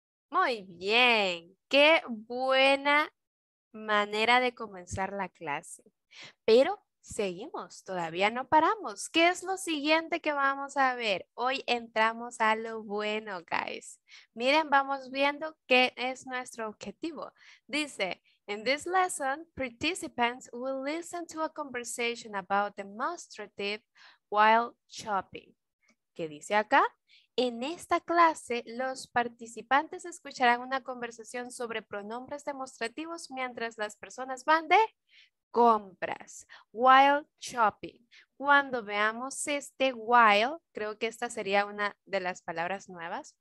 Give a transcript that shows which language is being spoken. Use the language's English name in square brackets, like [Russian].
[Spanish] Muy bien. Qué buena manera de comenzar la clase. Pero seguimos, todavía no paramos. ¿Qué es lo siguiente que vamos a ver? Hoy entramos a lo bueno, guys. Miren, vamos viendo qué es nuestro objetivo. Dice, [English] In this lesson, participants will listen to a conversation about demonstrative while shopping. [Spanish] ¿Qué dice acá? En esta clase, los participantes escucharán una conversación sobre pronombres demostrativos mientras las personas van de compras. [English] While shopping. [Spanish] Cuando veamos este while, creo que esta sería una de las palabras nuevas.